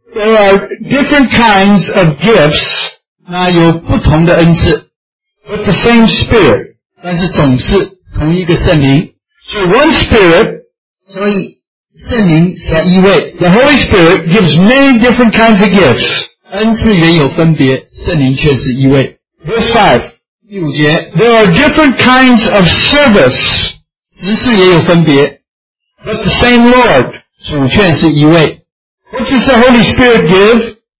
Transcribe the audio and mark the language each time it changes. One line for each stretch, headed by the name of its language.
English: There are different kinds of gifts.
Chinese: 那有不同的恩赐。
English: With the same spirit.
Chinese: 但是总是同一个圣灵。
English: So one spirit.
Chinese: 所以圣灵是一位。
English: The Holy Spirit gives many different kinds of gifts.
Chinese: 恩赐原有分别，圣灵却是一位。
English: Verse 5.
Chinese: 第五节。
English: There are different kinds of service.
Chinese: 执事也有分别。
English: With the same Lord.
Chinese: 主却是一位。
English: What does the Holy Spirit give?